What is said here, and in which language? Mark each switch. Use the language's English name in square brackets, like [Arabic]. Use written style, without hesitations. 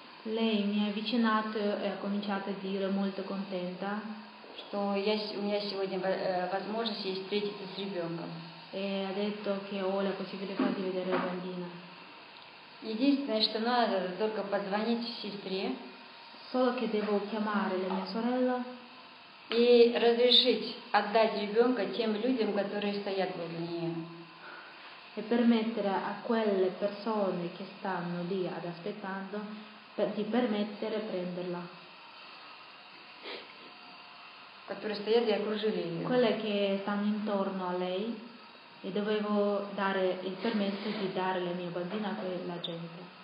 [Italian] Lei mi ha avvicinato e ha cominciato a dire molto contenta. [Russian] Что я, у меня сегодня возможность есть встретиться с ребенком. [Italian] E ha detto che ho la possibilità di vedere la bambina. [Russian] Единственное, что надо, только позвонить сестре. [Italian] Solo che devo chiamare la mia sorella. [Russian] И разрешить отдать ребенка тем людям, которые стоят возле нее. [Italian] E permettere a quelle persone che stanno lì ad aspettando di permettere prenderla. Quelle che stanno intorno a lei e dovevo dare il permesso di dare la mia bambina a quella gente.